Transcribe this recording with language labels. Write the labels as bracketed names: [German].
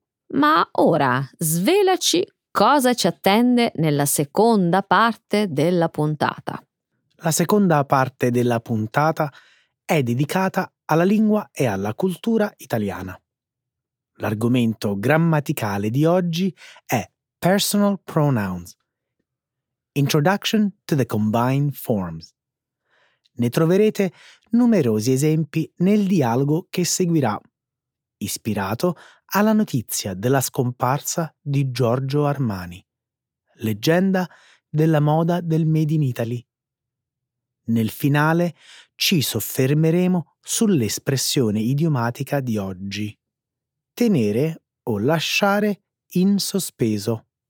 [Italian] Ma ora svelaci cosa ci attende nella seconda parte della puntata. La seconda parte della puntata è dedicata alla lingua e alla cultura italiana. L'argomento grammaticale di oggi è [English] Personal Pronouns. Introduction to the Combined Forms. [Italian] Ne troverete numerosi esempi nel dialogo che seguirà, ispirato alla notizia della scomparsa di Giorgio Armani, leggenda della moda del Made in Italy. Nel finale ci soffermeremo sull'espressione idiomatica di oggi: tenere o lasciare in sospeso.